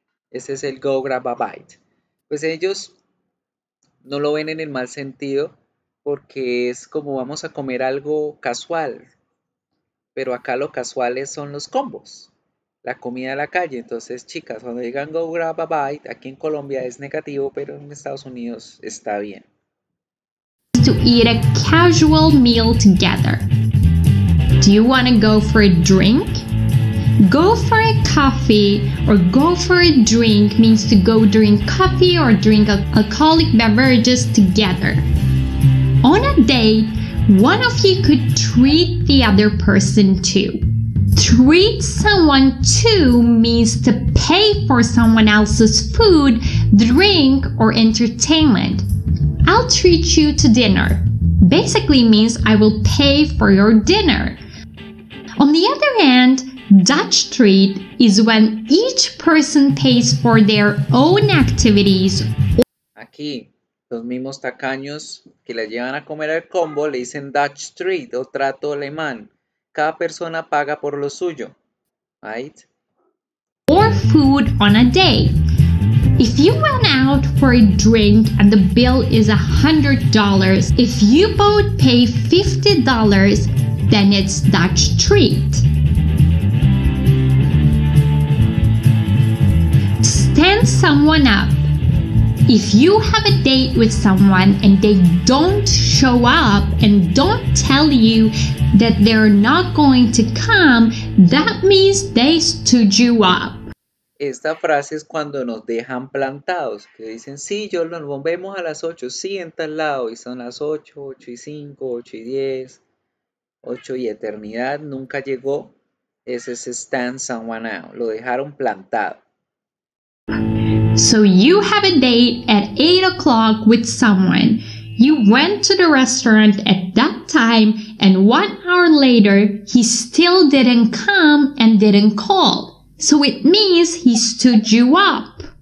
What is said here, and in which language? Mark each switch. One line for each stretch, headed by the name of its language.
Spanish: Ese es el
English: go grab a bite.
Spanish: Pues ellos no lo ven en el mal sentido porque es como vamos a comer algo casual. Pero acá lo casual son los combos. La comida de la calle. Entonces, chicas, cuando digan
English: go grab a bite,
Spanish: aquí en Colombia es negativo, pero en Estados Unidos está bien.
English: To eat a casual meal together. Do you want to go for a drink? Go for a coffee or go for a drink means to go drink coffee or drink alcoholic beverages together. On a date, One of you could treat the other person too. Treat someone too means to pay for someone else's food, drink, or entertainment. I'll treat you to dinner. Basically means I will pay for your dinner. On the other hand, Dutch treat is when each person pays for their own activities.
Spanish: Aquí, los mismos tacaños que la llevan a comer al combo le dicen Dutch treat o trato alemán. Cada persona paga por lo suyo, right?
English: Or food on a day. If you went out for a drink and the bill is $100, if you both pay $50, then it's Dutch treat. Stand someone up. If you have a date with someone and they don't show up and don't tell you that they're not going to come, that means they stood you up.
Spanish: Esta frase es cuando nos dejan plantados, que dicen, sí, yo nos vemos a las 8, sí, en tal lado, y son las 8, 8 y 5, 8 y 10, 8 y eternidad, nunca llegó. Es ese
English: stand someone out,
Spanish: lo dejaron plantado.
English: So you have a date at 8 o'clock with someone. You went to the restaurant at that time, and 1 hour later, he still didn't come and didn't call. So it means he stood you up.